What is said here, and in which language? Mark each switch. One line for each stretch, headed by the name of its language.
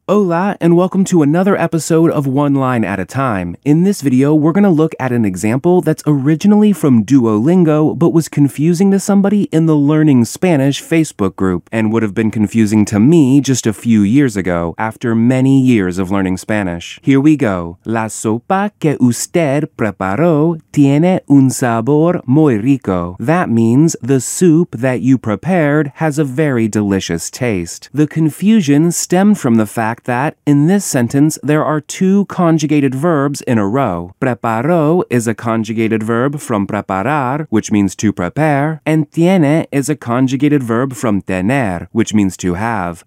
Spanish: Hola,
English: and welcome to another episode of One Line at a Time. In this video, we're going to look at an example that's originally from Duolingo, but was confusing to somebody in the Learning Spanish Facebook group, and would have been confusing to me just a few years ago, after many years of learning Spanish. Here we go.
Spanish: La sopa que usted preparó tiene un sabor muy rico.
English: That means the soup that you prepared has a very delicious taste. The confusion stemmed from the fact that, in this sentence, there are two conjugated verbs in a row. Preparó is a conjugated verb from preparar, which means to prepare, and tiene is a conjugated verb from tener, which means to have.